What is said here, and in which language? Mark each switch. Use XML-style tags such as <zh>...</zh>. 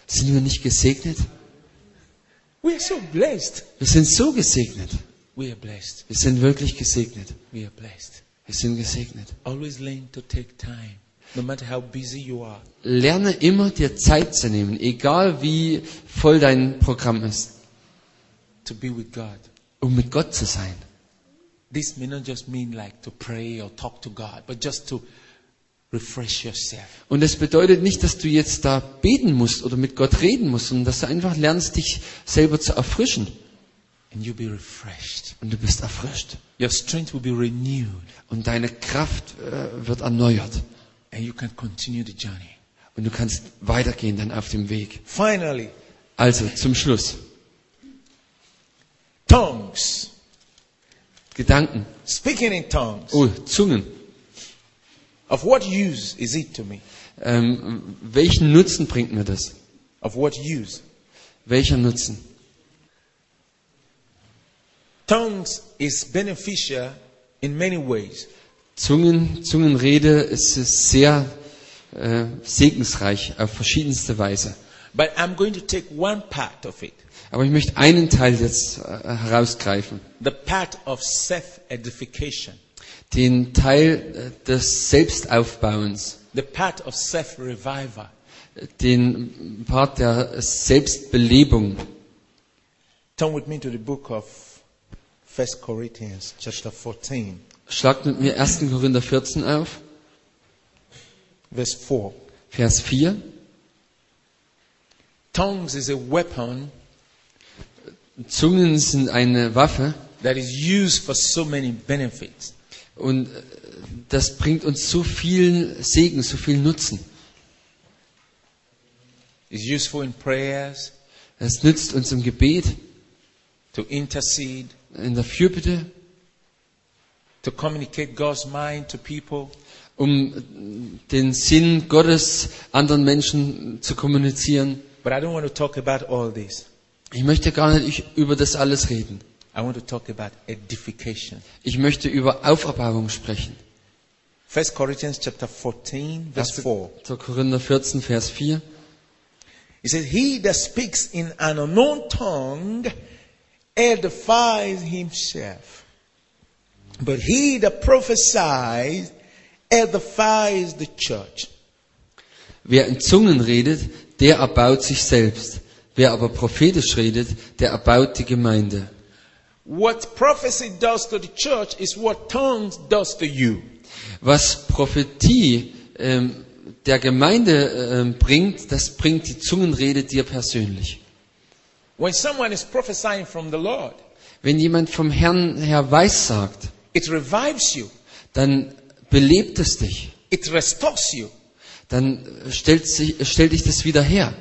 <de>Sind wir nicht gesegnet?</de> <en>We are so blessed.</en> <de>Wir sind so gesegnet.</de> <en>We are blessed.</en> <de>Wir sind wirklich gesegnet.</de> <en>We are blessed.</en> <de>Wir sind gesegnet.</de> <en>Always learn to take time, no matter how busy you are.</en> <de>Lerne immer, dir Zeit zu nehmen, egal wie voll dein Programm ist.</de> <en>To be with God.</en> <de>Um mit Gott zu sein.</de> <en>This may not just mean like to pray or talk to God, but just to refresh yourself.</en> <de>Und es bedeutet nicht, dass du jetzt da beten musst oder mit Gott reden musst, sondern dass du einfach lernst, dich selber zu erfrischen.</de> <en>And you'll be refreshed.</en> <de>Und du bist erfrischt.</de> <en>Your strength will be renewed.</en> <de>Und deine Kraft wird erneuert.</de> <en>And you can continue the journey.</en> <de>Und du kannst weitergehen dann auf dem Weg.</de> <en>Finally.</en> <de>Also zum Schluss.</de> <en>Tongues.</en> <de>Gedanken.</de> <en>Speaking in tongues.</en> <de>Oh, Zungen.</de> <en>Of what use is it to me?</en> <de>Welchen Nutzen bringt mir das?</de> <en>Of what use?</en> <de>Welcher Nutzen?</de> <en>Tongues is beneficial in many ways.</en> <de>Zungenrede ist sehr segensreich auf verschiedenste Weise.</de> <en>But I'm going to take one part of it.</en> <de>Aber ich möchte einen Teil jetzt herausgreifen.</de> <en>The part of self-edification.</en> <de>Den Teil des Selbstaufbauens.</de> <en>The part of self-revival.</en> <de>Den Part der Selbstbelebung.</de> <en>Turn with me to the book of 1 Corinthians, chapter 14.</en> <de>Schlagt mit mir 1. Korinther 14 auf. Vers 4. Vers 4.</de> <en>Tongues is a weapon.</en> <de>Zungen sind eine Waffe.</de> <en>That is used for so many benefits.</en> <de>Und das bringt uns so viel Segen, so viel Nutzen.</de> <en>It's useful in prayers.</en> <de>Es nützt uns im Gebet.</de> <en>To intercede.</en> <de>In der Fürbitte.</de> <en>To communicate God's mind to people.</en> <de>Um den Sinn Gottes anderen Menschen zu kommunizieren.</de> <en>But I don't want to talk about all this.</en> <de>Ich möchte gar nicht über das alles reden.</de> <en>I want to talk about edification.</en> <de>Ich möchte über Auferbauung sprechen.</de> <en>1 Corinthians chapter 14, verse 4.</en> <de>Zu Korinther 14, Vers 4.</de> <en>He says, he that speaks in an unknown tongue edifies himself. But he that prophesies edifies the church.</en> <de>Wer in Zungen redet, der erbaut sich selbst. Wer aber prophetisch redet, der erbaut die Gemeinde.</de> <en>What prophecy does to the church is what tongues does to you.</en> <de>Was Prophetie der Gemeinde bringt, das bringt die Zungenrede dir persönlich.</de> <en>When someone is prophesying from the Lord,</en> <de>wenn jemand vom Herrn her weissagt,</de> <en>it revives you.</en> <de>Dann belebt es dich.</de> <en>It restores you.</en> <de>Dann stellt dich das wieder her.</de>